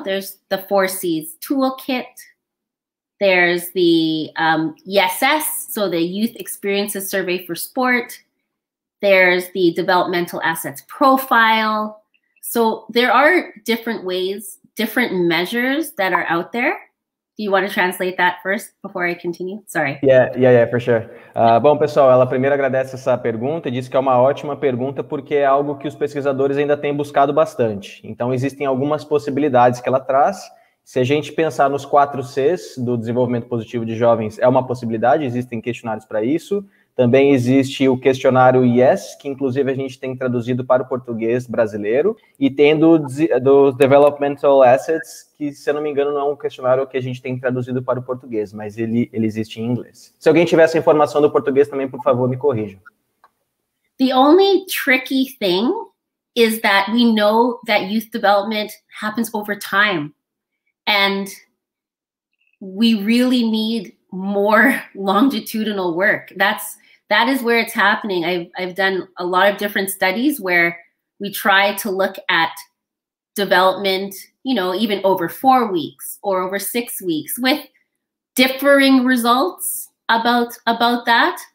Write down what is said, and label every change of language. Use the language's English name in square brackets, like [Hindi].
[English] There's the 4Cs toolkit. There's the ESS, so the Youth Experiences Survey for Sport. There's the developmental assets profile. So there are different ways, different measures that are out there. Do you want to translate that first before I continue? Sorry. Yeah, for sure. [Portuguese] Bom, pessoal, ela primeiro agradece essa pergunta e diz que é uma ótima pergunta porque é algo que os pesquisadores ainda têm buscado bastante. Então, existem algumas possibilidades que ela traz. Se a gente pensar nos 4Cs do desenvolvimento positivo de jovens, é uma possibilidade, existem questionários para isso. Também existe o questionário YES, que inclusive a gente tem traduzido para o português brasileiro, e tendo dos Developmental Assets, que, se eu não me engano, não é um questionário que a gente tem traduzido para o português, mas ele existe em inglês. Se alguém tiver essa informação do português também, por favor, me corrija. [English] The only tricky thing is that we know that youth development happens over time, and we really need more longitudinal work. That is where it's happening. I've done a lot of different studies where we try to look at development, you know, even over 4 weeks or over 6 weeks, with differing results about that.